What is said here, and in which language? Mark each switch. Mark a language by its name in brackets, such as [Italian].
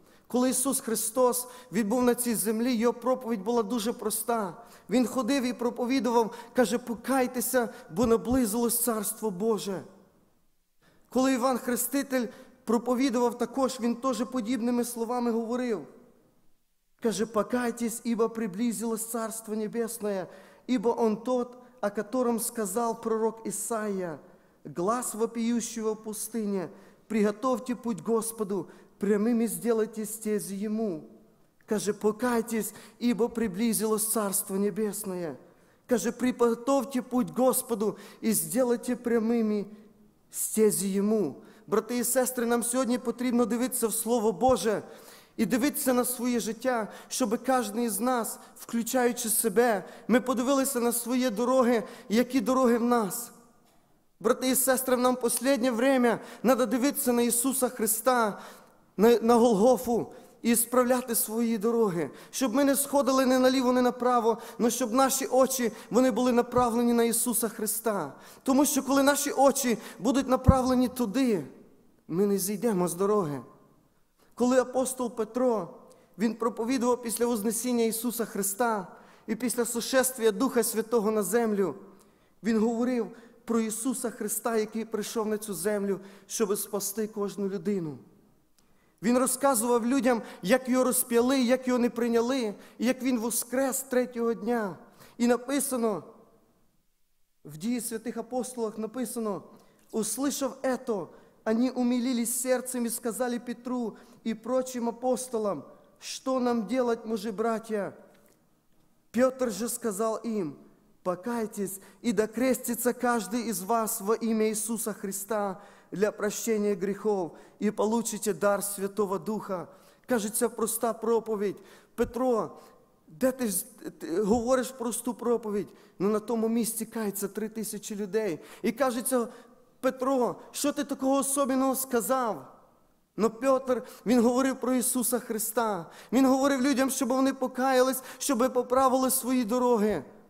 [Ukrainian] Коли Ісус Христос відбув на цій землі, Його проповідь була дуже проста. Він ходив і проповідував, каже, покайтеся, бо наблизилось Царство Боже. Коли Іван Хреститель проповідував також, він теж подібними словами говорив. [Russian] Каже, покайтесь, ибо приблизилось Царство Небесное, ибо Он тот, о котором сказал пророк Исаия, глас вопиющего в пустыне, приготовьте путь Господу, прямыми сделайте стези Ему. Каже, покайтесь, ибо приблизилось Царство Небесное. Каже, приготовьте путь Господу и сделайте прямыми стези Ему. [Ukrainian] Брати і сестри, нам сьогодні потрібно дивитися в Слово Боже, і дивитися на своє життя, щоб кожен із нас, включаючи себе, ми подивилися на свої дороги, які дороги в нас. Брати і сестри, нам останнє время треба дивитися на Ісуса Христа, на Голгофу, і справляти свої дороги. Щоб ми не сходили ні наліво, ні направо, але щоб наші очі, вони були направлені на Ісуса Христа. Тому що коли наші очі будуть направлені туди, ми не зійдемо з дороги. Коли апостол Петро, він проповідував після Вознесіння Ісуса Христа і після сошествия Духа Святого на землю, він говорив про Ісуса Христа, який прийшов на цю землю, щоб спасти кожну людину. Він розказував людям, як його розп'яли, як його не прийняли, і як він воскрес третього дня. І написано, в Дії святих апостолів написано, [Russian] «Услышав ето, они умилились сердцем и сказали Петру и прочим апостолам, что нам делать, мужи, братья? Петр же сказал им, покайтесь, и да крестится каждый из вас во имя Иисуса Христа для прощения грехов, и получите дар Святого Духа». Кажется, проста проповедь. [Ukrainian] Петро, де ти говориш просту проповідь? Ну, на тому місці кається 3000 людей. І кажеться, Петро, що ти такого особливого сказав? Но Петр, він говорив про Ісуса Христа. Він говорив людям, щоб вони покаялись, щоб поправили свої дороги.